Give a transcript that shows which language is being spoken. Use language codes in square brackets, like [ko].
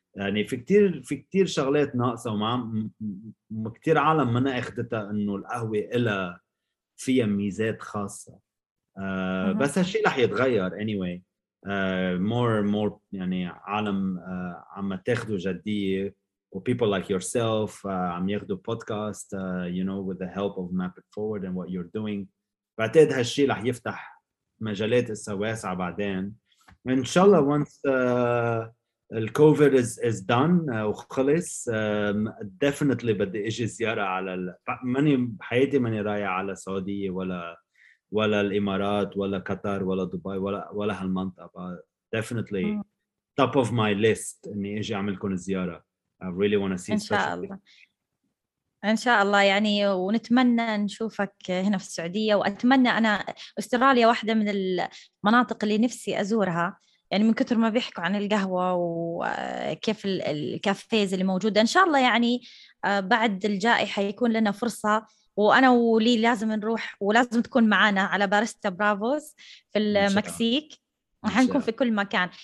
[ar] يعني في كتير شغلات ناقصة، وما كتير عالم ما أخدتها إنه القهوة إلها فيها ميزات خاصة. بس هالشيء رح يتغير [en] anyway. more [ar] يعني عالم عم تاخده جدية، [en] people like yourself [ar] عم ياخذوا بودكاست [en] you know with the help of Map It Forward and what you're doing. [ar] بعتقد هالشيء رح يفتح مجالات واسعة بعدين ان شاء الله. once الكوفيد is done وخلص، definitely بدي اجي زيارة على ماني بحياتي ماني رايح على السعودية ولا الامارات ولا قطر ولا دبي ولا هالمنطقة. [en] definitely top of my list [ar] اني اجي اعملكم الزيارة. [en] I really want to see [ar] إن شاء الله. إن شاء الله يعني، ونتمنى نشوفك هنا في السعودية، وأتمنى أنا أستراليا واحدة من المناطق اللي نفسي أزورها، يعني من كثر ما بيحكوا عن القهوة وكيف الكافيز اللي موجودة. إن شاء الله يعني بعد الجائحة يكون لنا فرصة، وأنا ولي لازم نروح، ولازم تكون معنا على باريستا برافوز في المكسيك، حنكون في كل مكان.